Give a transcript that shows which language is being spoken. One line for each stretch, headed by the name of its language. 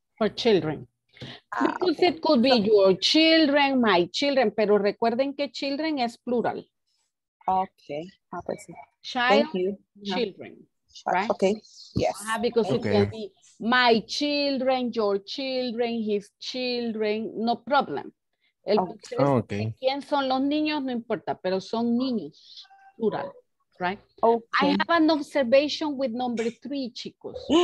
English: For children. Because it could be your children, my children,
Spanish: pero recuerden que children es plural.
English: Okay. Child, children. Right? Okay. Yes. Because it can be my children, your children, his children, no problem. El okay.
Spanish: ¿Quién son los niños? No importa, pero son niños.
English: Plural. Right? Okay. I have an observation with number three, chicos.